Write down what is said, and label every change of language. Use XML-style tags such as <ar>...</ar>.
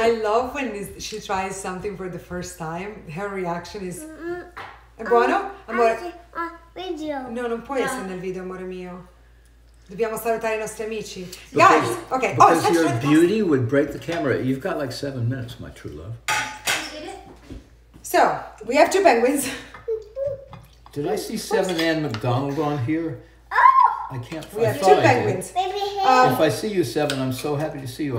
<en>I love when she tries something for the first time. Her reaction is...</en> <it>buono? Amore?</it> <en>Video.</en> <it>No, non puoi essere nel video, amore mio. Dobbiamo salutare i nostri amici.</it> <en>Guys, okay. Because your beauty would break the camera. You've got like 7 minutes, my true love. So, we have two penguins. Did I see Seven Ann McDonald on here? I can't find We have two penguins. Baby, if I see you, Seven, I'm so happy to see you.</en>